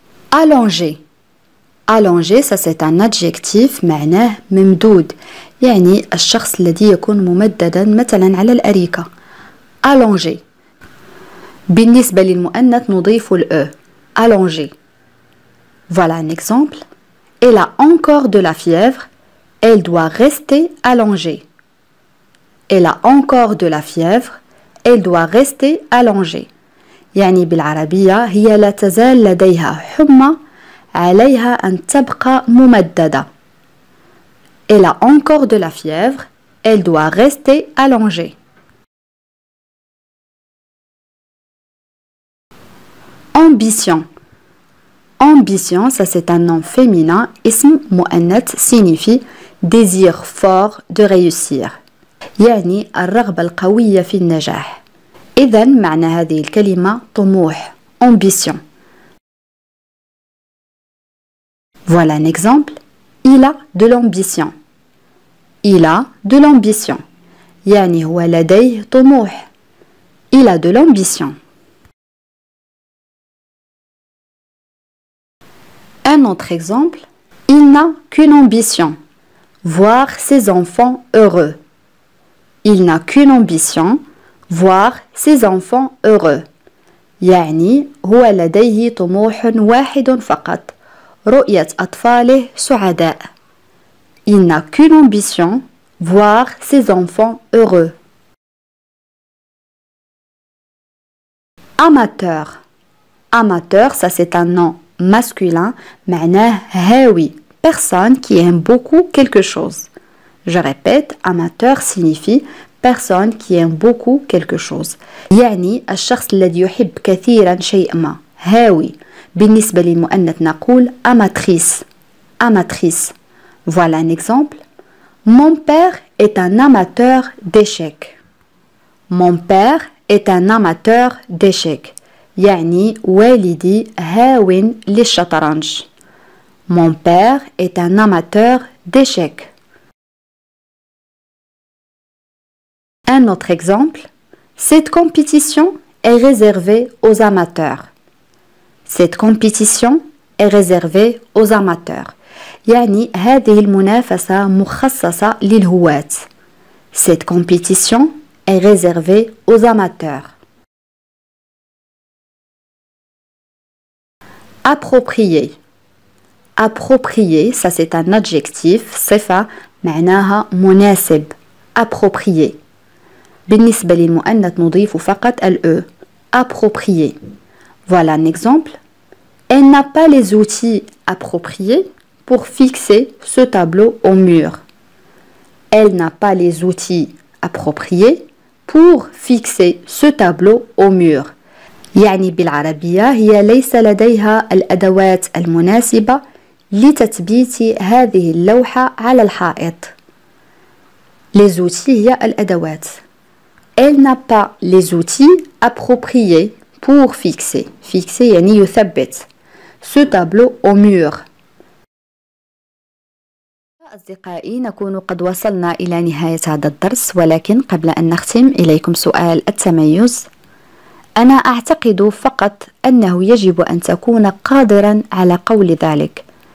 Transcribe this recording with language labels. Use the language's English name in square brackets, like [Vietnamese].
[French] Allongée. Allongée, ça c'est un adjectif, [Arabic] معناه ممدود. يعني الشخص الذي يكون ممددا مثلا على الأريكة. [French] Allongée. [Arabic] بالنسبة للمؤنث نضيف الأ. [French] Allongée. Voilà un exemple. Elle a encore de la fièvre. Elle doit rester allongée. Elle a encore de la fièvre. Elle doit rester allongée. [Arabic] يعني بالعربية هي لا تزال لديها حمى عليها أن تبقى ممددة. [French] Elle a encore de la fièvre. Elle doit rester allongée. Ambition. Ambition, ça c'est un nom féminin. [Arabic] اسم مؤنث [French] signifie désir fort de réussir. [Arabic] يعني الرغبة القوية في النجاح. إذن معنى هذه الكلمة طموح, ambition. [French] Voilà un exemple. Il a de l'ambition. Il a de l'ambition. [Arabic] يعني هو لديه طموح. [French] Il a de l'ambition. Un autre exemple. Il n'a qu'une ambition. Voir ses enfants heureux. Il n'a qu'une ambition. Voir ses enfants heureux. [Arabic] يعني هو لديه طموح واحد فقط. رؤية أطفاله سعداء. [French] Il n'a qu'une ambition. Voir ses enfants heureux. Amateur. Amateur, ça c'est un nom masculin. [Arabic] معناه هاوي. [French] Personne qui aime beaucoup quelque chose. Je répète, amateur signifie personne qui aime beaucoup quelque chose. [Arabic] يعني الشخص الذي يحب كثيرا شيء ما. هاوي. بالنسبة للمؤنث نقول amatrice. [French] Amatrice. Voilà un exemple. Mon père est un amateur d'échecs. Mon père est un amateur d'échecs. [Arabic] يعني والدي هاوي للشطرنج. [French] Mon père est un amateur d'échecs. Un autre exemple. Cette compétition est réservée aux amateurs. Cette compétition est réservée aux amateurs. [Arabic] يعني هذه المنافسة مخصصة للهواة. [French] Cette compétition est réservée aux amateurs. Approprié. Approprié, ça c'est un adjectif. [Arabic] صفة معناها مناسب. Approprié. بالنسبة للمؤنث نضيف فقط الأ. [French] Approprié. Voilà un exemple. Elle n'a pas les outils appropriés pour fixer ce tableau au mur. elle n'a pas les outils appropriés pour fixer ce tableau au mur. [Arabic] يعني بالعربية هي ليس لديها الأدوات المناسبة لتثبيت هذه اللوحة على الحائط. [French] Les outils [Arabic] هي الأدوات. [French] Elle n'a pas les outils appropriés pour fixer. [Arabic] Fixer يعني يثبت. [French] Ce tableau au mur. [Arabic] أصدقائي نكون قد وصلنا إلى نهاية هذا الدرس ولكن قبل أن نختم إليكم سؤال التميز. أنا أعتقد فقط أنه يجب أن تكون قادرا على قول ذلك.